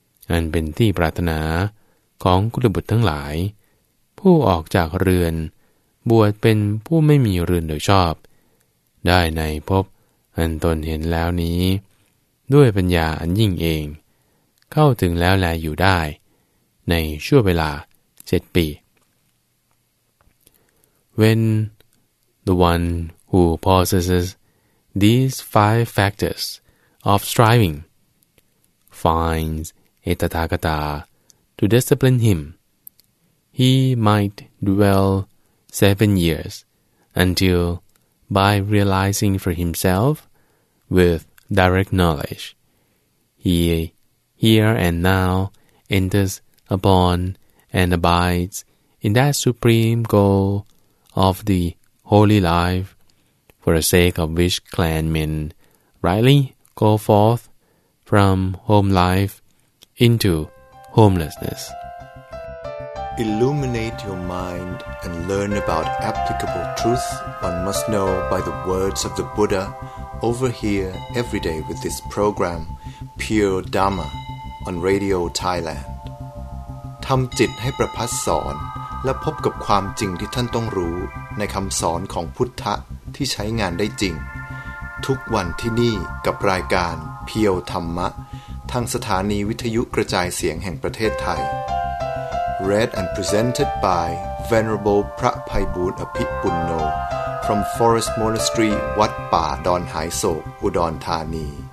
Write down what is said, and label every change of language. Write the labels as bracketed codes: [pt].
[th] อันเป็นที่ปรารถนาของกุลบุตรทั้งหลายผู้ออกจากเรือนบวชเป็นผู้ไม่มีเรือนโดยชอบได้ในภพอันตนเห็นแล้วนี้ด้วยปัญญาอันยิ่งเองเข้าถึงแล้วแลอยู่ได้ในช่วงเวลา7ปี [en] When the one who possesses these five factors of striving finds a Tathagata to discipline him, he might dwell 7 years until by realizing for himselfWith direct knowledge, he here and now enters upon and abides in that supreme goal of the holy life, for the sake of which clan men rightly go forth from home life into homelessness. Illuminate your mind and learn about applicable truth one must know by the words of the Buddha.Overhear every day with this program, Pure Dharma. on Radio Thailand [th] ทำจิตให้ประพัสสอนและพบกับความจริงที่ท่านต้องรู้ในคำสอนของพุทธะที่ใช้งานได้จริงทุกวันที่นี่กับรายการเพียวธรรมะทางสถานีวิทยุกระจายเสียงแห่งประเทศไทย [en] Read and presented by Venerable [th] พระไพบูลย์อภิปุณโญ [en] from Forest Monastery [th] วัดป่าดอนหายโศกอุดรธานี